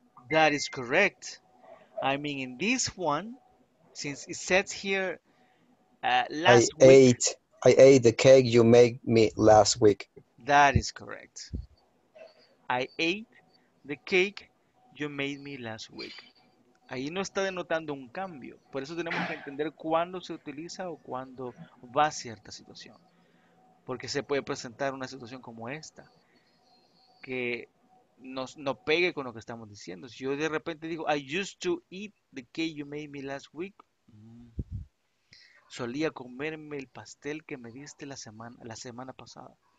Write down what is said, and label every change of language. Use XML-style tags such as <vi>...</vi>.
<en>That is correct. I mean, in this one, since it says here last week. I ate the cake you made me last week. That is correct. I ate the cake you made me last week.</en> <es>Ahí no está denotando un cambio. Por eso tenemos que entender cuándo se utiliza o cuándo va a cierta situación. Porque se puede presentar una situación como esta, que no pegue con lo que estamos diciendo. Si yo de repente digo,</es> <en>I used to eat the cake you made me last week.</en> <es>Solía comerme el pastel que me diste la semana pasada.</es>